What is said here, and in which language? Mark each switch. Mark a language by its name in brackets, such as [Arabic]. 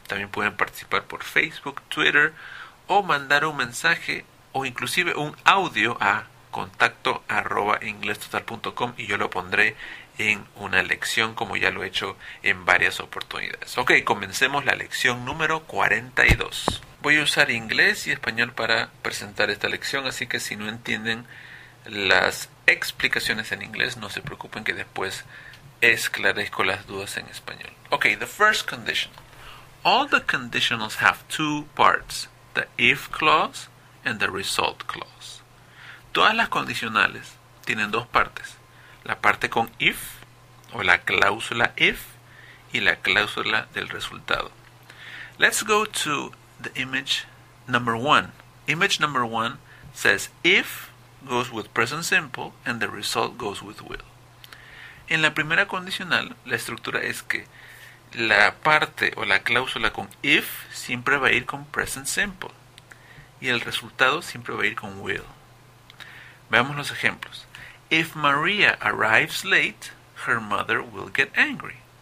[Spanish] También pueden participar por Facebook, Twitter o mandar un mensaje o inclusive un audio a contacto@inglestotal.com y yo lo pondré en una lección como ya lo he hecho en varias oportunidades. Ok, comencemos la lección número 42. Voy a usar inglés y español para presentar esta lección, así que si no entienden las explicaciones en inglés, no se preocupen que después esclarezco las dudas en español. [English] Ok, the first conditional. All the conditionals have two parts, the if clause and the result clause. [Spanish] Todas las condicionales tienen dos partes, la parte con if o la cláusula if y la cláusula del resultado. [English] Let's go to the image number one. Image number one says if goes with present simple and the result goes with will. [Spanish] En la primera condicional, la estructura es que la parte o la cláusula con if siempre va a ir con present simple y el resultado siempre va a ir con will. Veamos los ejemplos. [English] If Maria arrives late, her mother will get angry.